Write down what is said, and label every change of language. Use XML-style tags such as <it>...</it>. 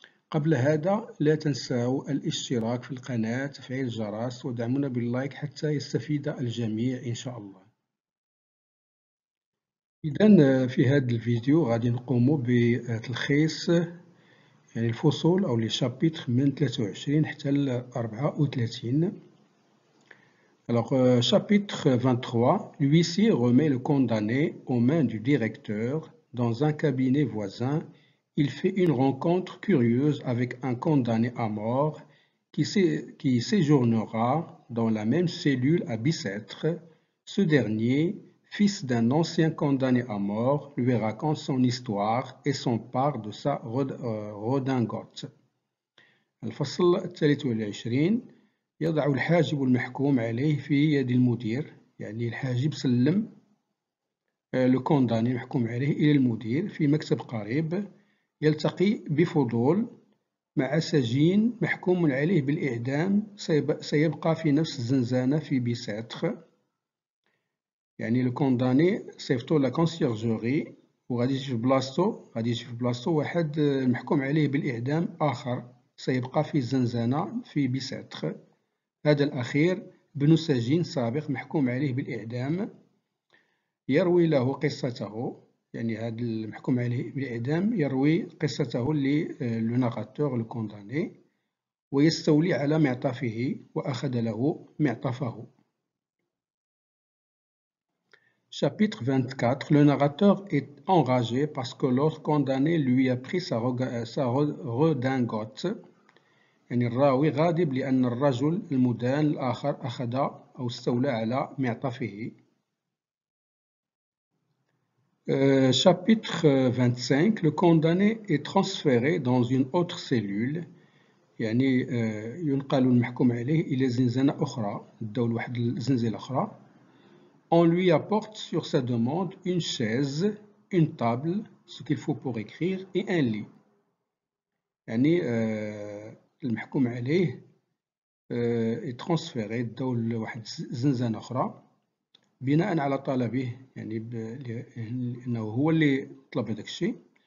<ar>قبل هذا لا تنسوا الاشتراك في القناة، تفعيل الجرس، ودعمونا باللايك حتى يستفيد الجميع إن شاء الله. إذن في هذا الفيديو غادي نقوم بتلخيص يعني الفصول أو لي شابيتر من 23 حتى 34.</ar> <fr>Alors, chapitre 23, l'huissier remet le condamné aux mains du directeur dans un cabinet voisin. Il fait une rencontre curieuse avec un condamné à mort qui séjournera dans la même cellule à Bicêtre. Ce dernier, fils d'un ancien condamné à mort, lui raconte son histoire et s'empare de sa redingote.</fr> <ar>الفصل 23، يضع الحاجب المحكوم عليه في يد المدير، يعني الحاجب سلم لو كونداني المحكوم عليه إلى المدير في مكتب قريب. يلتقي بفضول مع سجين محكوم عليه بالإعدام، سيبقى في نفس الزنزانة في بيساتخ. يعني لو كونداني سيفتو لا كونسيرجوري، وغادي يجي في بلاصتو، غادي يجي في بلاصتو واحد محكوم عليه بالإعدام آخر، سيبقى في الزنزانة في بيساتخ. هذا الأخير بنو سجين سابق محكوم عليه بالإعدام، يروي له قصته، يعني هذا المحكوم عليه بالإعدام يروي قصته للو ناراتور لو كونداني، ويستولي على معطفه وأخذ له معطفه.</ar> <fr>Chapitre 24. Le narrateur est enragé parce que l'autre condamné lui a pris sa redingote.</fr> <ar>يعني الراوي غاضب لأن الرجل المدان الآخر أخذ أو استولى على معطفه.</ar> <fr>Chapitre 25. Le condamné est transféré dans une autre cellule.</fr> <ar>يعني ينقل المحكوم عليه إلى زنزانة أخرى، داول واحد الزنزانة أخرى.</ar> <fr>On lui apporte sur sa demande une chaise, une table, ce qu'il faut pour écrire, et un lit.</fr> <ar>يعني المحكوم عليه يترانسفيري دول لواحد زنزانة أخرى بناء على طلبه، يعني لأنه هو اللي طلب هذاك الشيء.</ar>